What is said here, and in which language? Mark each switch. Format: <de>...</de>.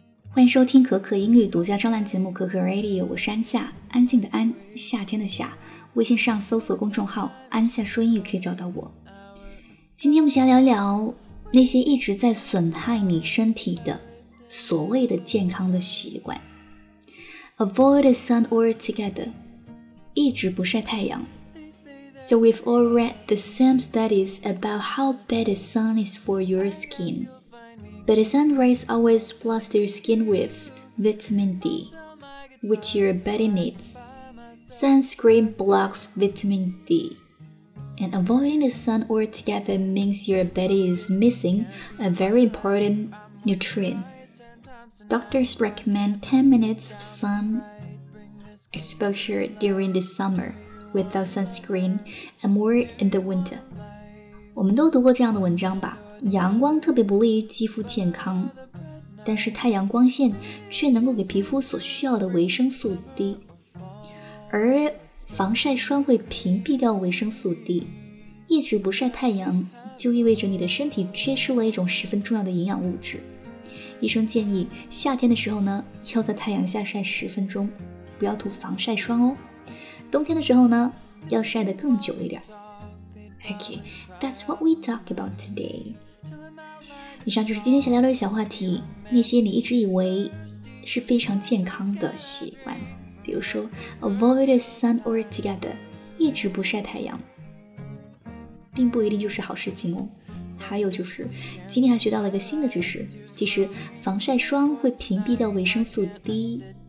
<zh>欢迎收听可可英语独家专栏节目可可 Radio， 我是安夏，安静的安，夏天的夏。微信上搜索公众号安夏说英语可以找到我。今天我们想聊聊那些一直在损害你身体的所谓的健康的习惯。</zh> <en>Avoid the sun altogether，</en> <zh>一直不晒太阳。</zh> <en>So we've all read the same studies about how bad the sun is for your skin. But the sun rays always flood your skin with vitamin D, which your body needs. Sunscreen blocks vitamin D. And avoiding the sun altogether means your body is missing a very important nutrient. Doctors recommend 10 minutes of sun exposure during the summer. Without sunscreen and more in the winter.</en> <zh>我们都读过这样的文章吧，阳光特别不利于肌肤健康，但是太阳光线却能够给皮肤所需要的维生素 D， 而防晒霜会屏蔽掉维生素 D， 一直不晒太阳就意味着你的身体缺失了一种十分重要的营养物质。医生建议夏天的时候呢，要在太阳下晒十分钟，不要涂防晒霜哦。冬天的时候呢，要晒得更久一点。</zh> <en>Okay, that's what we talk about today.</en> <zh>以上就是今天想聊的小话题，那些你一直以为是非常健康的习惯，比如说</zh> <en>avoid the sun altogether，</en> <zh>一直不晒太阳，并不一定就是好事情哦。还有就是，今天还学到了一个新的知识，其实防晒霜会屏蔽掉维生素 D。</zh>